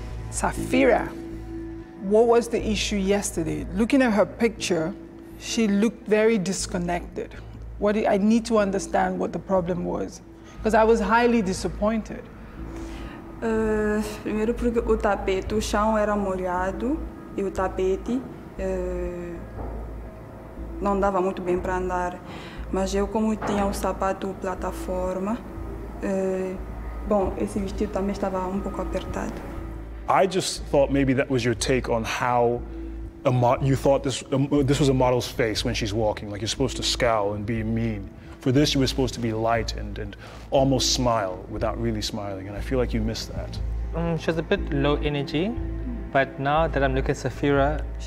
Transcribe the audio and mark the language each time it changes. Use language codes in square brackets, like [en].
[en] Safira, what was the issue yesterday? Looking at her picture, she looked very disconnected. I need to understand what the problem was, because I was highly disappointed. [pt] Primeiro porque o tapete, o chão era molhado e o tapete não dava muito bem para andar. Mas eu, como tinha o sapato plataforma, bom, esse vestido também estava pouco apertado. [en] I just thought maybe that was your take on how you thought this was a model's face when she's walking, like you're supposed to scowl and be mean. For this, you were supposed to be lightened and almost smile without really smiling, and I feel like you missed that. She was a bit low energy, but now that I'm looking at Safira,